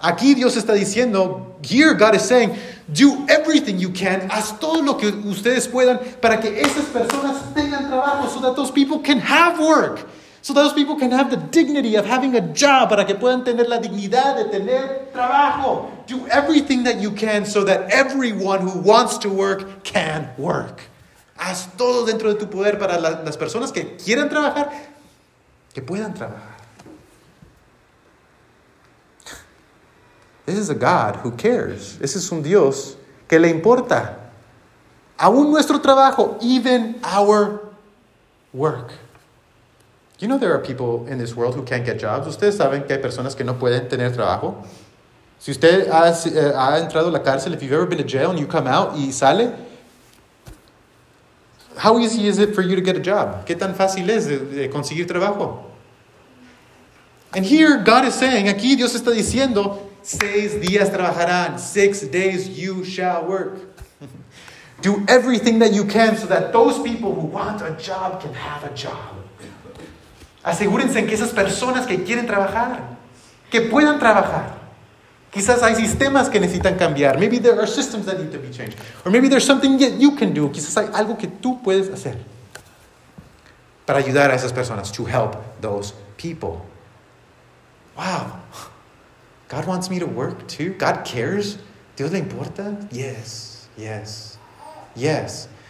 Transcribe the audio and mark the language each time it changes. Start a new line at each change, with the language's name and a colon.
English: Aquí Dios está diciendo, here God is saying, do everything you can,
Spanish: haz todo lo que ustedes puedan para que esas personas tengan trabajo,
English: so that those people can have work, so those people can have the dignity of having a job,
Spanish: para que puedan tener la dignidad de tener trabajo.
English: Do everything that you can so that everyone who wants to work can work.
Spanish: Haz todo dentro de tu poder para las personas que quieran trabajar, que puedan trabajar.
English: This is a God who cares.
Spanish: Ese es un Dios que le importa. Aún nuestro trabajo,
English: even our work. You know there are people in this world who can't get jobs.
Spanish: Ustedes saben que hay personas que no pueden tener trabajo. Si usted ha entrado a la cárcel,
English: if you've ever been to jail and you come out
Spanish: y sale,
English: how easy is it for you to get a job?
Spanish: ¿Qué tan fácil es de conseguir trabajo?
English: And here God is saying,
Spanish: aquí Dios está diciendo, 6 días trabajarán,
English: 6 days you shall work. Do everything that you can so that those people who want a job can have a job.
Spanish: Asegúrense que esas personas que quieren trabajar, que puedan trabajar. Quizás hay sistemas que necesitan cambiar.
English: Maybe there are systems that need to be changed. Or maybe there's something that you can do.
Spanish: Quizás hay algo que tú puedes hacer para ayudar a esas personas,
English: to help those people.
Spanish: Wow.
English: God wants me to work too. God cares.
Spanish: ¿Dios le importa?
English: Yes. Yes. Yes.